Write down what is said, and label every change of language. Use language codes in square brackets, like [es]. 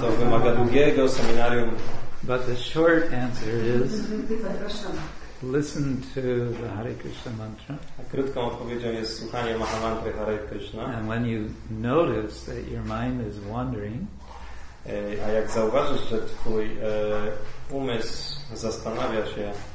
[pl] To wymaga długiego seminarium. [en] But the short answer is listen to the Hare Krishna mantra. [pl] A krótką odpowiedzią jest słuchanie mahamantry Hare Krishna. [en] And when you notice that your mind is wandering, [pl] a jak zauważysz, że twój umysł zastanawia się,